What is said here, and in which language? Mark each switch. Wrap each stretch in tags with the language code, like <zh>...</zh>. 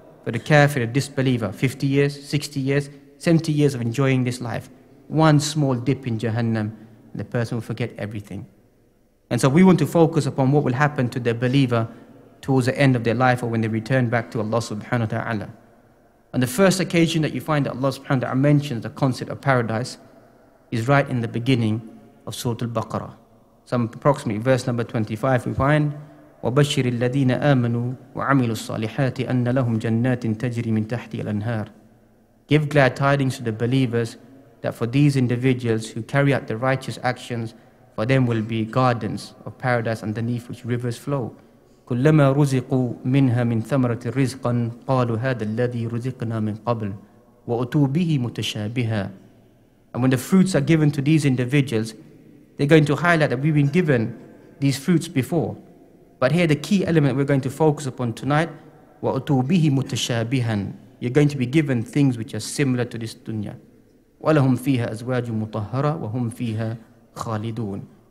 <en>For the kafir, a disbeliever, 50 years, 60 years, 70 years of enjoying this life, one small dip in Jahannam, and the person will forget everything. And so we want to focus upon what will happen to the believer towards the end of their life, or when they return back to Allah subhanahu wa ta'ala. On the first occasion that you find that Allah subhanahu wa ta'ala mentions the concept of paradise is right in the beginning of Surah Al-Baqarah. Some approximately verse number 25 we find,</en> <ar>وَبَشِّرِ الَّذِينَ آمَنُوا وَعَمِلُوا الصَّالِحَاتِ أَنَّ لَهُمْ جَنَّاتٍ تَجْرِي مِنْ تَحْتِي الْأَنْهَارِ.</ar> <en>Give glad tidings to the believers that for these individuals who carry out the righteous actions, for them will be gardens of paradise underneath which rivers flow.</en> <ar>كلما رزقوا منها من ثمرة رزقا قالوا هذا الذي رزقنا من قبل وأتوا به متشابها.</ar> <en>And when the fruits are given to these individuals, they're going to highlight that we've been given these fruits before. But here the key element we're going to focus upon tonight,</en> <ar>وَأُتُوا بِهِ مُتَشَابِهًا.</ar> <en>You're going to be given things which are similar to this dunya.</en> <ar>وَلَهُمْ فِيهَا أَزْوَاجٌ مُطَهَّرَةٌ وَهُمْ فِيهَا خَالِدُونَ.</ar>